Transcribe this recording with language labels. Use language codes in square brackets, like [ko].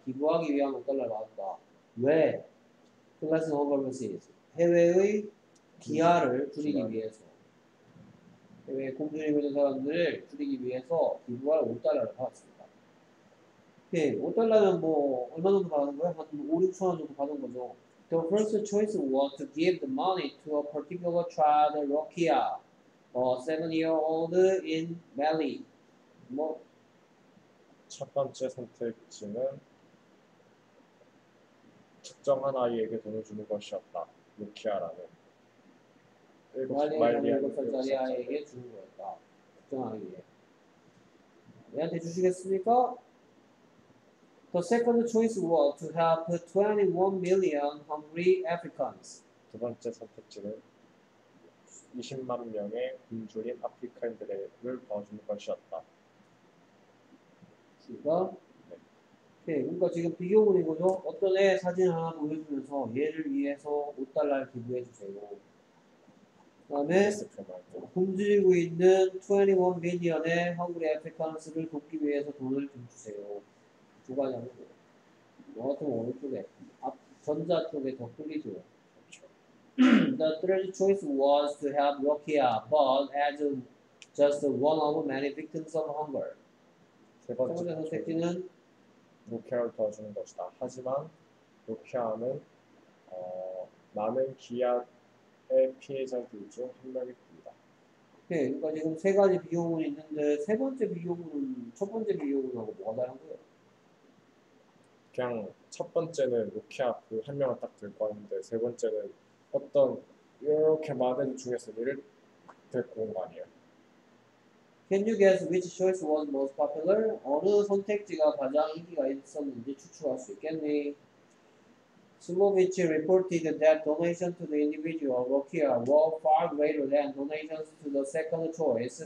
[ko] 기부하기 위한 5달러를 받았다 왜? 클래스 오버버시즈 해외의 기아를 줄이기 위해서 해외에 굶주리고 있는 사람들을 줄이기 위해서 기부할 5달러를 받았습니다 오케이. 5달러면 뭐 얼마 정도 받은 거야? 한 5-6천원 정도 받은 거죠. [en] The first choice was to give the money to a particular child, Rokia, a 7-year-old in Mali. [ko] 뭐? 첫 번째 선택지는 특정한 아이에게 돈을 주는 것이었다. 로키아라는 말리아는 7살짜리 아이에게 주는 거였다. 특정한 아이에게. 얘한테 주시겠습니까? [en] The second choice was to help 21 million hungry Africans. [ko] 두 번째 선택지는 20만 명의 굶주린 아프리카인들을 도와주는 것이었다. 그러니까, 네. 네, 그러니까 지금 비교문인 거죠. 어떤 애 사진 하나 보여주면서 얘를 위해서 5달러를 기부해 주세요. 다음에 굶주리고 있는 21 미니언의 헝그리 아프리칸스를 돕기 위해서 돈을 좀 주세요. 두 가지 하는 거예요. 너 같으면 어느 쪽에? 앞, 전자 쪽에 더 끌리죠. [en] The third choice was to help Rokia, but as just one of many victims of hunger. [ko] 세 번째 선택지는 로키아를 도와주는 것이다. 하지만 로키아는 많은 기아의 피해자들 중 한 명입니다. 네, 그러니까 지금 세 가지 비용은 있는데 세 번째 비용은 첫 번째 비용하고 뭐가 다른 거예요? 그냥 첫 번째는 로키아 그 한 명을 딱 들고 왔는데 세 번째는 어떤 이렇게 많은 중에서 얘를 데리고 온 거 아니에요? [en] Can you guess which choice was most popular? [ko] 어느 선택지가 가장 인기가 있었는지 추측할 수 있겠니? [en] Slovich reported that donation to the individual Rokia were far greater than donations to the second choice.